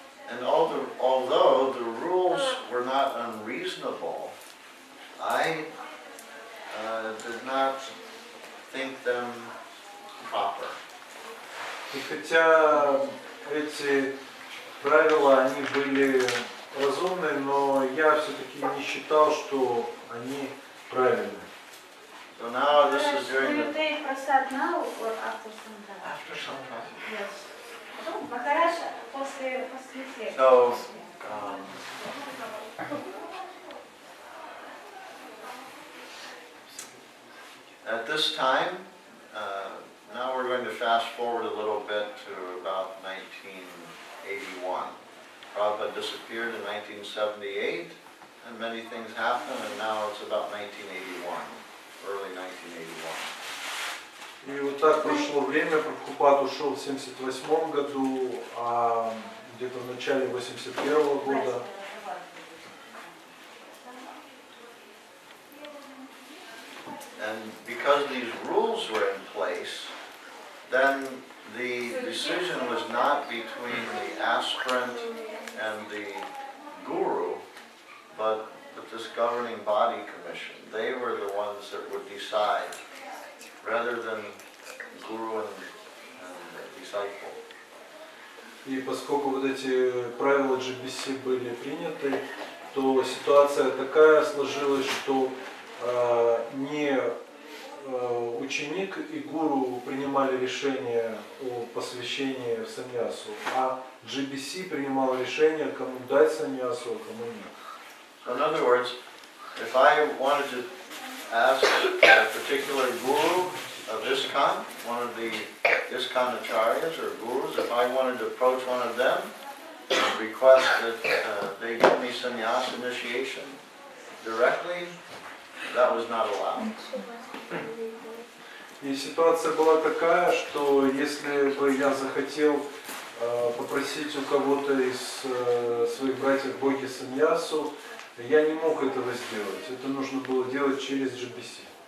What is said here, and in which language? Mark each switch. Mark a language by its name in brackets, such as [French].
[English] And although the rules were not unreasonable, I did not think them proper. [Russian] И хотя эти правила, они были разумны, но я все-таки не считал, что они правильны. [English] So now this is during the... Do you take prasad now or after some time? After some time. Yes. Maharaj, after the prasad. So, at this time, now we're going to fast forward a little bit to about 1981. Prabhupada disappeared in 1978, and many things happened, and now it's about 1981. Early 1981. [Russian] И вот так прошло время. Прабхупад ушел в 78 году, а где-то в начале 81 года. [English] And because these rules were in place, then the decision was not between the aspirant and the guru, but this governing body commission. They were the ones that would decide rather than guru and disciple. [Russian] И поскольку вот эти правила GBC были приняты, то ситуация такая сложилась, что не ученик и гуру принимали решение о посвящении в саньясу, а GBC принимал решение, кому дать саньясу, а кому нет. [English] So in other words, if I wanted to ask a particular guru of ISKCON, one of the ISKCON acharyas or gurus, if I wanted to approach one of them and request that they give me sannyas initiation directly, that was not allowed. [Russian] И ситуация была такая, что если бы я захотел попросить у кого-то из своих братьев боги саньясу, я не мог этого сделать. Это нужно было делать через GBC.